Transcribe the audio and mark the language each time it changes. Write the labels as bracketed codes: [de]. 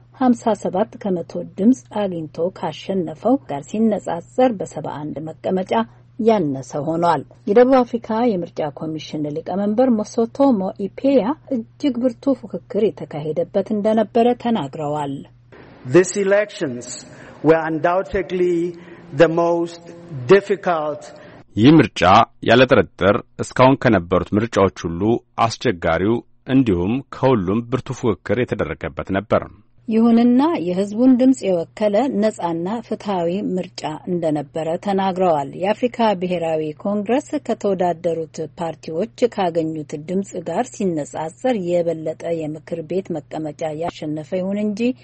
[am] 57 ከመቶ ድምጽ አግኝቶ ካሸነፈው ጋር ሲነጻጸር በ71 መቀመጫ ያነሰ ሆኗል። የደቡብ አፍሪካ የምርጫ ኮሚሽን ሊቀመንበር ሞሶቶ ሞኢፔያ እጅግ ብርቱ ፉክክር የተካሄደበት እንደነበረ ተናግረዋል። [en] These elections were undoubtedly the most difficult. [am] ይህ ምርጫ ያለጥርጥር እስካሁን ከነበሩት ምርጫዎች ሁሉ አስቸጋሪው እንዲሁም ከሁሉም ብርቱ ፉክክር የተደረገበት ነበር። ይሁንና የህዝቡን ድምጽ የወከለ ነጻና ፍትሃዊ ምርጫ እንደነበረ ተናግረዋል። የአፍሪካ ብሔራዊ ኮንግረስ ከተወዳደሩት ፓርቲዎች ካገኙት ድምጽ ጋር ሲነጻጸር የበለጠ የምክር ቤት መቀመጫ ያሸነፈ ይሁን እንጂ